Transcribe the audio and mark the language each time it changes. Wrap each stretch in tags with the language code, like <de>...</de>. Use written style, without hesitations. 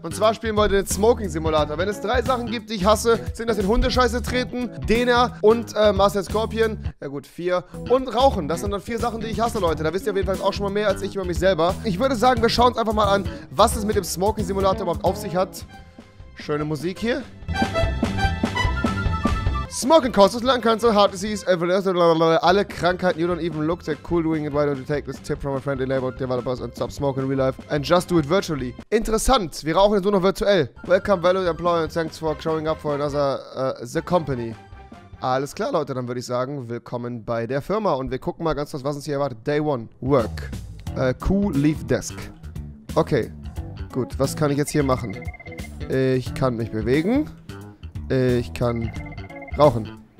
<de>Und zwar spielen wir heute den Smoking Simulator. Wenn es drei Sachen gibt, die ich hasse, sind das den Hundescheiße treten, Dehner und Master Scorpion. Ja gut, vier. Und Rauchen. Das sind dann vier Sachen, die ich hasse, Leute. Da wisst ihr auf jeden Fall auch schon mal mehr als ich über mich selber. Ich würde sagen, wir schauen uns einfach mal an, was es mit dem Smoking Simulator überhaupt auf sich hat. Schöne Musik hier.</de> <en>Smoking causes lung cancer, heart disease,</en> <de>alle Krankheiten.</de> <en>You don't even look that cool doing it. Why don't you take this tip from a friendly neighborhood developers and stop smoking in real life and just do it virtually.</en> <de>Interessant, wir rauchen jetzt nur noch virtuell.</de> <en>Welcome, valued employer, and thanks for showing up for another the company.</en> <de>Alles klar, Leute, dann würde ich sagen, willkommen bei der Firma und wir gucken mal ganz kurz, was uns hier erwartet.</de> <en>Day one, work. Cool leaf desk.</en> <de>Okay, gut, was kann ich jetzt hier machen? Ich kann mich bewegen. Ich kann... rauchen.</de>